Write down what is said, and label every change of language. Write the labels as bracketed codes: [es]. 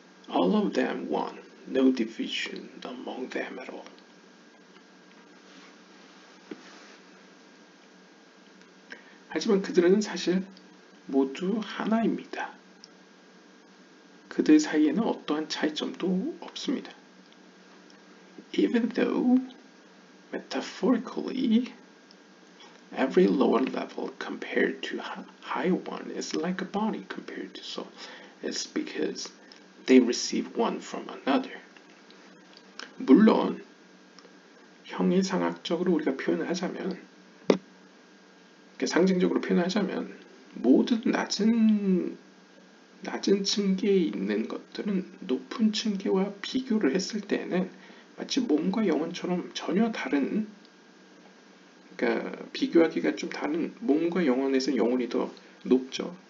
[en] All of them one, no division among them at all. [ko] 하지만 그들은 사실 모두 하나입니다. 그들 사이에는 어떠한 차이점도 없습니다. [en] Even though metaphorically every lower level compared to high one is like a body compared to soul, it's because they receive one from another. [ko] 물론 형이상학적으로 우리가 표현을 하자면, 상징적으로 표현하자면 모든 낮은 층계에 있는 것들은 높은 층계와 비교를 했을 때에는 마치 몸과 영혼처럼 전혀 다른, 그러니까 비교하기가 좀 다른, 몸과 영혼에서 영혼이 더 높죠.